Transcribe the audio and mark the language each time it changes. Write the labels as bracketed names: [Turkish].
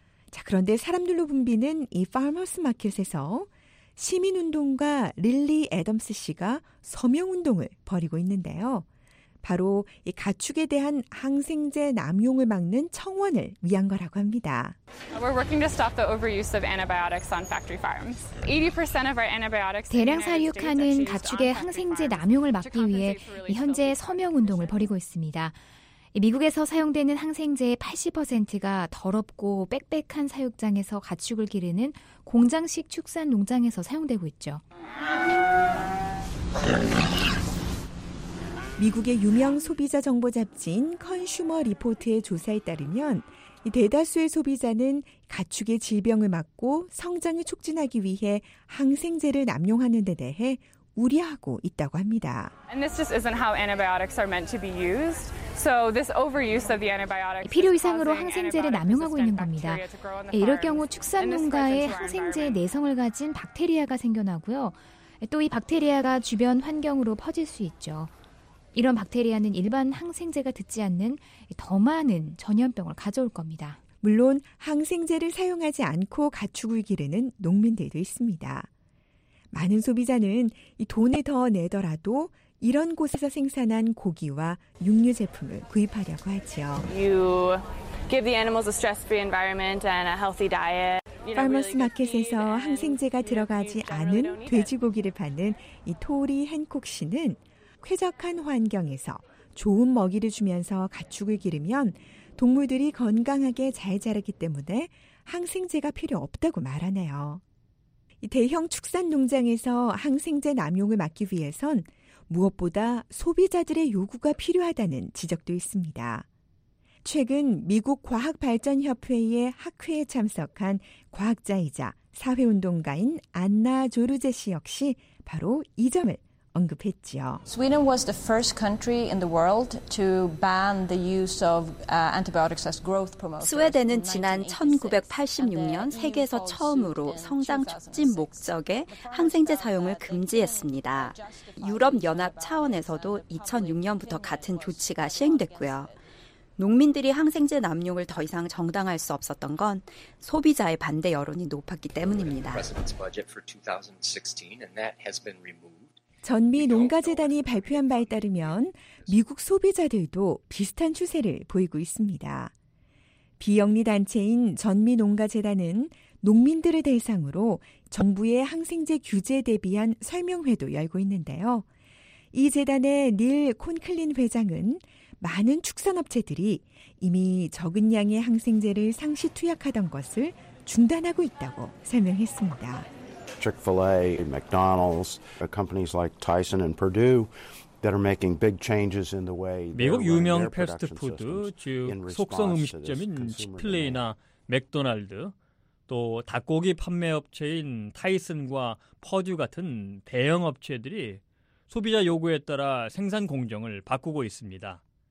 [Korean] 자, 그런데 사람들로 붐비는 이 파머스 마켓에서 시민운동가 릴리 애덤스 씨가 서명운동을 벌이고 있는데요. 바로 이 가축에 대한 항생제 남용을 막는 청원을 위한 거라고 합니다. [English] We're working to stop the overuse of antibiotics on factory farms. 80% of our antibiotics. [Korean] 대량 사육하는 가축의 항생제 남용을 막기 위해 현재 서명 운동을 벌이고 있습니다. 미국에서 사용되는 항생제의 80%가 더럽고 빽빽한 사육장에서 가축을 기르는 공장식 축산 농장에서 사용되고 있죠. 미국의 유명 소비자 정보 잡지인 컨슈머 리포트의 조사에 따르면 대다수의 소비자는 가축의 질병을 막고 성장을 촉진하기 위해 항생제를 남용하는 데 대해 우려하고 있다고 합니다. [English] And this just isn't how antibiotics are meant to be used. So this overuse of the antibiotics. [Korean] 필요 이상으로 항생제를 남용하고 있는 겁니다. 이럴 경우 축산농가에 항생제 내성을 가진 박테리아가 생겨나고요. 또 이 박테리아가 주변 환경으로 퍼질 수 있죠. 이런 박테리아는 일반 항생제가 듣지 않는 더 많은 전염병을 가져올 겁니다. 물론 항생제를 사용하지 않고 가축을 기르는 농민들도 있습니다. 많은 소비자는 돈을 더 내더라도 이런 곳에서 생산한 고기와 육류 제품을 구입하려고 하죠. [English] You give the animals a stress-free environment and a healthy diet. [Korean] 파머스 마켓에서 항생제가 들어가지 않은 돼지고기를 파는 이 토리 헨콕 씨는 쾌적한 환경에서 좋은 먹이를 주면서 가축을 기르면 동물들이 건강하게 잘 자라기 때문에 항생제가 필요 없다고 말하네요. 대형 축산 농장에서 항생제 남용을 막기 위해선 무엇보다 소비자들의 요구가 필요하다는 지적도 있습니다. 최근 미국 과학발전협회의 학회에 참석한 과학자이자 사회운동가인 안나 조르제 씨 역시 바로 이 점을 언급했지요. [English] Sweden was the first country in the world to ban the use of antibiotics as growth promoters. [Korean] 스웨덴은 지난 1986년 세계에서 처음으로 성장 촉진 목적의 항생제 사용을 금지했습니다. 유럽 연합 차원에서도 2006년부터 같은 조치가 시행됐고요. 농민들이 항생제 남용을 더 이상 정당화할 수 없었던 건 소비자의 반대 여론이 높았기 때문입니다. 전미 농가재단이 발표한 바에 따르면 미국 소비자들도 비슷한 추세를 보이고 있습니다. 비영리 단체인 전미 농가재단은 농민들을 대상으로 정부의 항생제 규제에 대비한 설명회도 열고 있는데요. 이 재단의 닐 콘클린 회장은 많은 축산업체들이 이미 적은 양의 항생제를 상시 투약하던 것을 중단하고 있다고 설명했습니다. [English] Chick-fil-A, McDonald's, companies like Tyson and Purdue that are making big changes in the way. [Korean] 미국 유명 패스트푸드 즉 속성 음식점인 치플레이나 맥도날드 또 닭고기 판매 업체인 타이슨과 퍼듀 같은 대형 업체들이 소비자 요구에 따라 생산 공정을 바꾸고 있습니다.